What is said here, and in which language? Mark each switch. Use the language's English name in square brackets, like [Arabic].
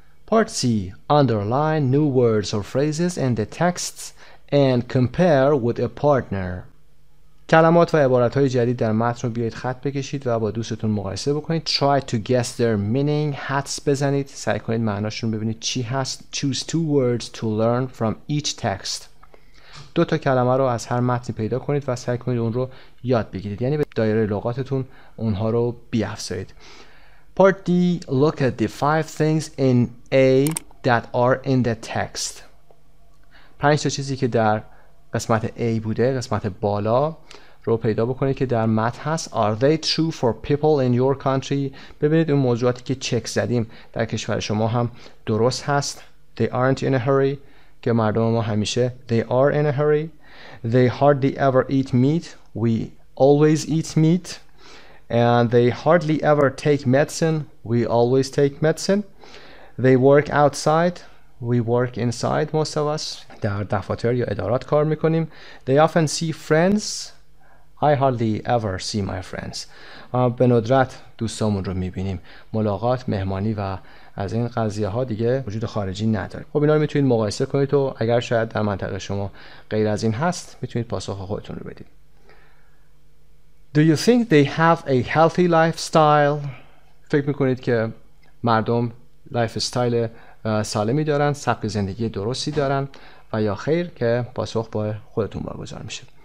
[English] Part C، underline new words or phrases in the texts and compare with a partner. [Persian] کلمات و عبارات‌های جدید در متن رو بیایید خط بکشید و با دوستتون مقایسه بکنید. [English] Try to guess their meaning، [Persian] حدس بزنید، سعی کنید معناشون ببینید چی هست. [English] Choose two words to learn from each text. [Persian] دو تا کلمه رو از هر متن پیدا کنید و سعی کنید اون رو یاد بگیرید، یعنی به دایره لغاتتون اونها رو بیافزایید. [English] Part D، look at the five things in A that are in the text. [Persian] پنج تا چیزی که در قسمت A بوده، قسمت بالا رو پیدا بکنید که در متن هست. [English] Are they true for people in your country؟ [Persian] ببینید اون موضوعاتی که چک زدیم در کشور شما هم درست هست. [English] They aren't in a hurry، [Persian] که مردم ما همیشه [English] They are in a hurry. They hardly ever eat meat، We always eat meat. And they hardly ever take medicine، We always take medicine. They work outside، We work inside most of us. [Persian] در دفاتر یا ادارات کار میکنیم. [English] They often see friends، I hardly ever see my friends. [Persian] به ندرت دوستامون رو میبینیم. ملاقات، مهمانی و از این قضیه ها دیگه وجود خارجی نداره. خب اینا رو میتونید مقایسه کنید و اگر شاید در منطقه شما غیر از این هست میتونید پاسخ خودتون رو بدید. [English] Do you think they have a healthy lifestyle؟ [Persian] فکر میکنید که مردم لایف استایل سالمی دارن، سبک زندگی درستی دارن و یا خیر؟ که پاسخ با خودتون واگذار میشه.